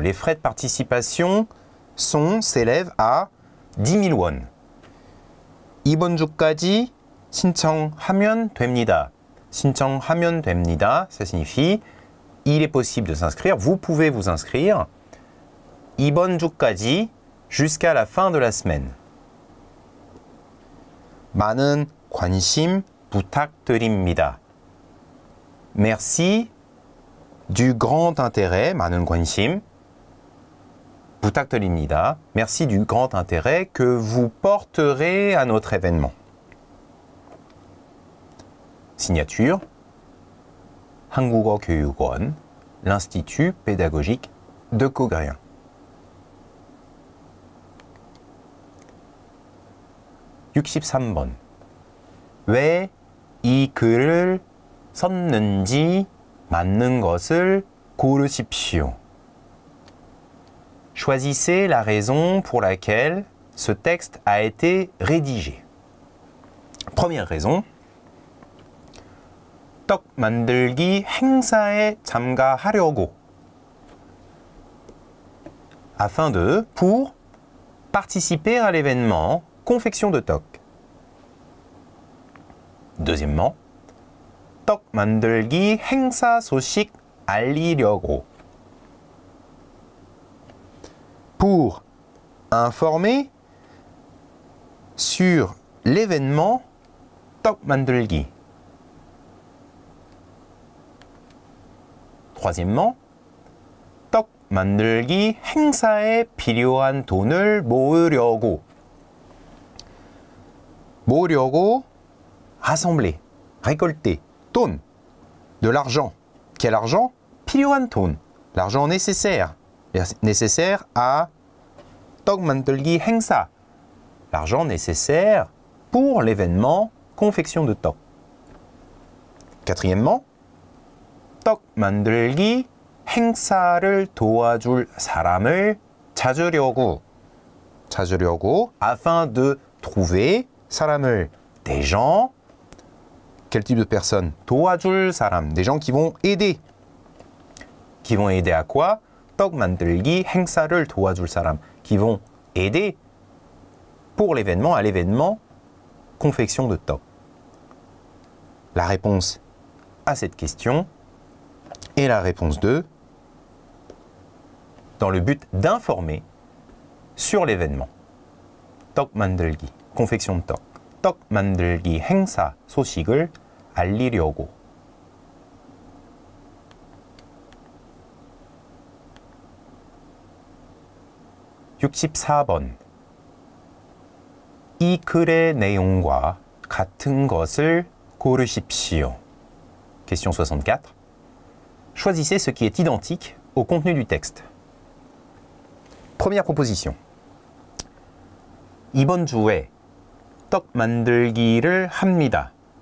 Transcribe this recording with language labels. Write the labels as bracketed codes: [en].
[fr] les frais de participation s'élèvent à 10 000 won. [ko] 이번 주까지 신청하면 됩니다. 신청하면 됩니다, [fr] ça signifie il est possible de s'inscrire, vous pouvez vous inscrire. [ko] 이번 주까지, [fr] jusqu'à la fin de la semaine. [ko] 많은 관심 부탁드립니다. [fr] Merci du grand intérêt, [ko] 많은 관심 부탁드립니다. [fr] Merci du grand intérêt que vous porterez à notre événement. Signature [ko] 한국어 교육원 [fr] l'Institut pédagogique de Coréen. Yuxip Sambon. [ko] Wé i 글을 썼는지 맞는 것을 고르십시오. [fr] 'Choisissez la raison pour laquelle ce texte a été rédigé. Première raison. [ko] 떡 만들기 행사에 참가하려고. [fr] Afin de, pour, participer à l'événement confection de toc. Deuxièmement, [ko] 떡 만들기 행사 소식 알리려고. [fr] Pour informer sur l'événement 떡 만들기. Troisièmement, [ko] 떡 만들기 행사에 필요한 돈을 모으려고. 모으려고, [fr] rassembler, récolter, 돈, de l'argent. Quel argent? [ko] 필요한 돈, [fr] l'argent nécessaire, nécessaire à [ko] 떡 만들기 행사, [fr] l'argent nécessaire pour l'événement confection de 떡. Quatrièmement, [ko] 떡 만들기 행사를 도와줄 사람을 찾으려고. 찾으려고, [fr] afin de trouver [ko] 사람을, [fr] des gens. Quel type de personne? [ko] 도와줄 사람, [fr] des gens qui vont aider. Qui vont aider à quoi? [ko] 떡 만들기 행사를 도와줄 사람, [fr] qui vont aider pour l'événement, à l'événement confection de 떡. La réponse à cette question. Et la réponse 2, dans le but d'informer sur l'événement. [ko] 떡 만들기, [fr] confection de 떡. [ko] 떡 만들기 행사 소식을 알리려고. '64번. 이 글의 내용과 같은 것을 고르십시오. [fr] Question 64. Choisissez ce qui est identique au contenu du texte. Première proposition. [ko] 이번 주에 떡 만들기를 합니다.